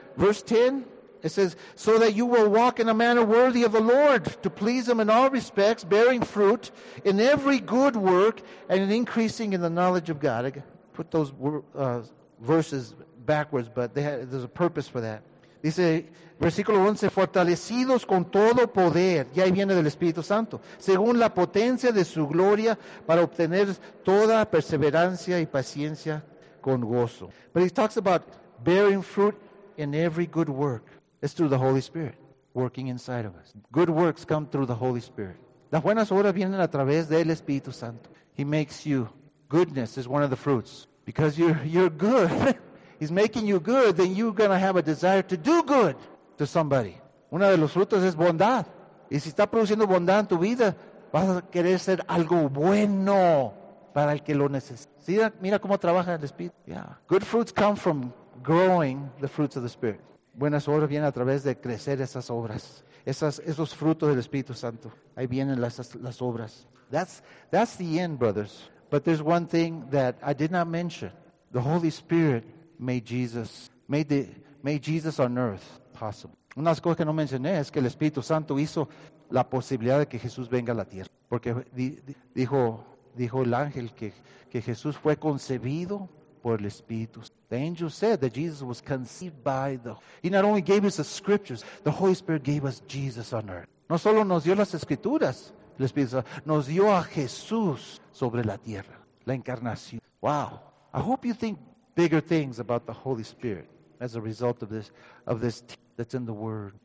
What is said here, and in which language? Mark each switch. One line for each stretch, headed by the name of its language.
English: Verse 10, it says, so that you will walk in a manner worthy of the Lord, to please Him in all respects, bearing fruit in every good work, and in increasing in the knowledge of God. I put those verses backwards, but there's a purpose for that.
Spanish: Dice, versículo 11, fortalecidos con todo poder, y ahí viene del Espíritu Santo, según la potencia de su gloria, para obtener toda perseverancia y paciencia con gozo.
English: But he talks about bearing fruit in every good work. It's through the Holy Spirit working inside of us. Good works come through the Holy Spirit.
Spanish: Las buenas obras vienen a través del Espíritu Santo.
English: He makes you, goodness is one of the fruits, because you're good. He's making you good, then you're going to have a desire to do good. to somebody.
Spanish: Una de los frutos es bondad. Y si está produciendo bondad en tu vida, vas a querer ser algo bueno para el que lo necesita. Mira cómo trabaja el Espíritu. Yeah.
English: Good fruits come from growing the fruits of the Spirit.
Spanish: Buenas obras vienen a través de crecer esas obras. Esos frutos del Espíritu Santo. Ahí vienen las obras.
English: That's the end, brothers. But there's one thing that I did not mention. The Holy Spirit made Jesus on earth possible.
Spanish: Una de las cosas que no mencioné es que el Espíritu Santo hizo la posibilidad de que Jesús venga a la tierra. Porque dijo el ángel que Jesús fue concebido por el Espíritu.
English: The angel said that Jesus was conceived by the... He not only gave us the scriptures, the Holy Spirit gave us Jesus on earth.
Spanish: No solo nos dio las escrituras, el Espíritu Santo, nos dio a Jesús sobre la tierra, la encarnación.
English: Wow. I hope you think bigger things about the Holy Spirit as a result of this that's in the Word.